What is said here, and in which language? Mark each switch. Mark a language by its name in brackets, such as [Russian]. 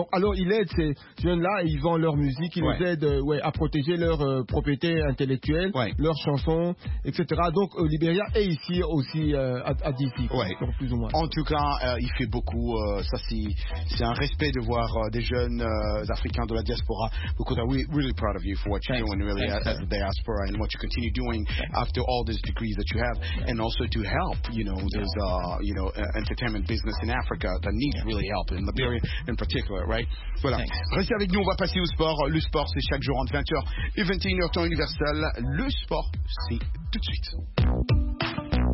[French] Alors il aide ces jeunes-là et ils vendent leur musique, ils les aident à protéger leur propriété intellectuelle, leurs chansons, etc. Donc au Liberia et ici aussi à D.C. Ouais. Plus ou moins. En tout cas, il fait beaucoup. Ça, c'est un respect de voir des jeunes Africains de la diaspora. [English] Because we're really proud of you for what you're doing, really, as a diaspora, and what you continue doing after all these degrees that you have, and also to help, you know, those entertainment business in Africa that needs really help in Liberia in particular, right? [French] Voilà. [English] Thanks. [French] Restez avec nous, on va passer au sport. Le sport, c'est chaque jour entre 20h et 21h temps universel. Le sport, c'est tout de suite.